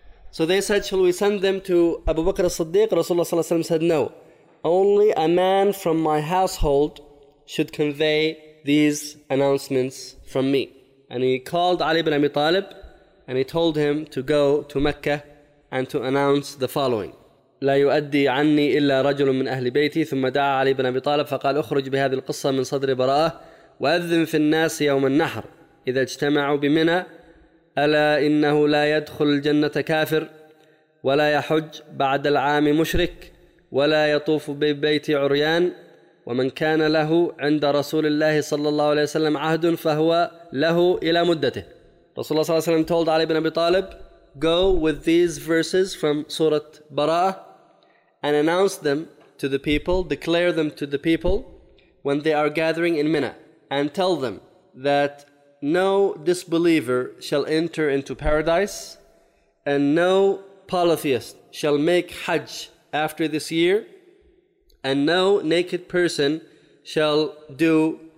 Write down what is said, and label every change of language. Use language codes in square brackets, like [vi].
[en] So they said, shall we send them to Abu Bakr as-Siddiq? Rasulullah sallallahu alaihi wasallam said, no. Only a man from my household should convey these announcements from me. And he called Ali ibn Abi Talib and he told him to go to Mecca and to announce the following. [ar] لا يؤدي عني إلا رجل من أهل بيتي ثم دعا علي بن أبي طالب فقال أخرج بهذه القصة من صدر براءة وأذن في الناس يوم النحر إذا اجتمعوا بمنى ألا إنه لا يدخل الجنة كافر ولا يحج بعد العام مشرك ولا يطوف ببيت عريان ومن كان له عند رسول الله صلى الله عليه وسلم عهد فهو له إلى مدته. [en] رسول الله صلى الله عليه وسلم told علي بن أبي طالب, go with these verses from Surah Bara'ah and announce them to the people, declare them to the people when they are gathering in Mina, and tell them that no disbeliever shall enter into paradise and no polytheist shall make Hajj after this year and no naked person shall do